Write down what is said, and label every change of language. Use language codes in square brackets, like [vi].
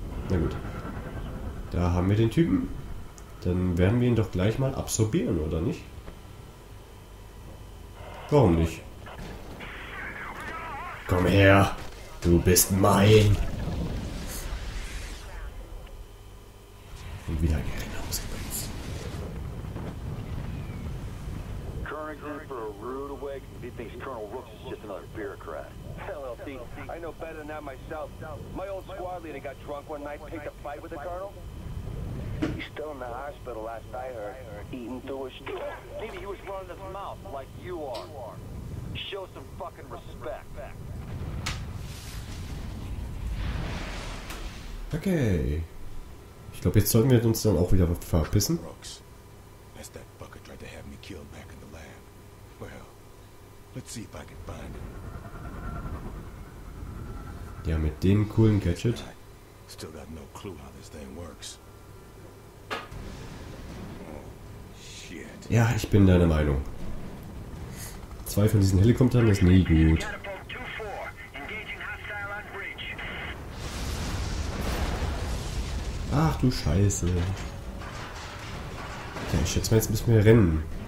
[de] Na gut. Da haben wir den Typen. Dann werden wir ihn doch gleich mal absorbieren, oder nicht? Warum nicht? Komm her! Du bist mein! Und wieder ein Erinnerungsgebiet. [en] Current group for a rude awakening. He thinks Colonel Rooks is just another bureaucrat. LLC, I know better than that myself. My old squad leader got drunk one night, picked a fight with the Colonel. He's still in the hospital, last I heard, eating through a straw. Maybe he was running his mouth like you are. Show some fucking respect. Okay. [de] Ich glaube, jetzt sollten wir uns dann auch wieder verpissen. Brooks. [en] That's that fucker tried to have me killed back in the lab. Well, let's see if I can find him. [de] Ja, mit dem coolen Gadget. [en] Still got no clue how this thing works. [de] Ja, ich bin deiner Meinung. Zwei von diesen Helikoptern ist nie gut. Ach du Scheiße. Ja, ich schätze mal, jetzt müssen wir rennen.